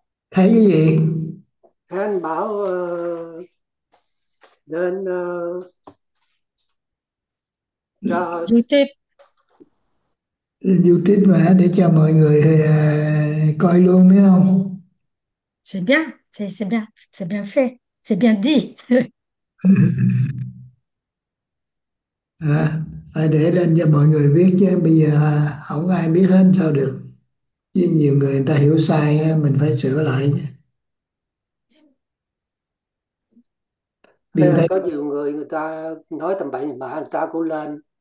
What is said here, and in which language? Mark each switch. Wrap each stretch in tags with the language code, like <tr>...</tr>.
<vi>Thấy cái gì? Thấy anh bảo lên cho YouTube. YouTube mà để cho mọi người coi luôn biết không?</vi> <fr>C'est bien, c'est bien, c'est bien fait, c'est bien dit.</fr> <vi>À, phải để lên cho mọi người biết chứ bây giờ không ai biết hết sao được. Với nhiều người người ta hiểu sai mình phải sửa lại. Hay Miền là Tây có nhiều người người ta nói tầm bậy mà người ta cũng lên.</vi>